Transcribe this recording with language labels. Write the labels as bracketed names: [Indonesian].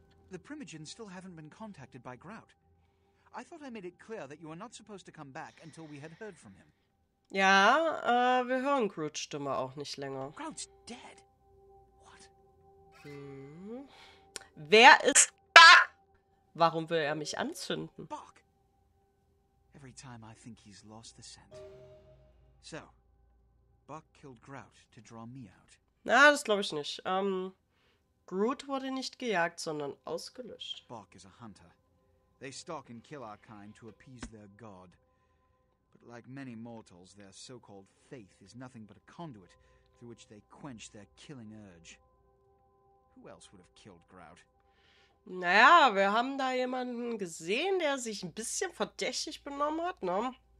[English] The Primogens still haven't been contacted by Grout. I thought I made it clear that you are not supposed to come back until we had heard from him. [German] Ja, wir hören Grouts Stimme auch nicht länger. [English] Grout's dead. [German] Wer ist Bach? Warum will er mich anzünden? [English] Bach. Every time I think he's lost the scent. So, Bach killed Grout to draw me out. [German] Na, das glaube ich nicht. Groot wurde nicht gejagt, sondern ausgelöscht. [English] Bach is a hunter. They stalk and kill our kind to appease their god. But like many mortals, their so-called faith is nothing but a conduit through which they quench their killing urge. Who else would have killed Grout? [German] Naja, wir haben da jemanden gesehen, der sich ein bisschen verdächtig benommen hat, ne?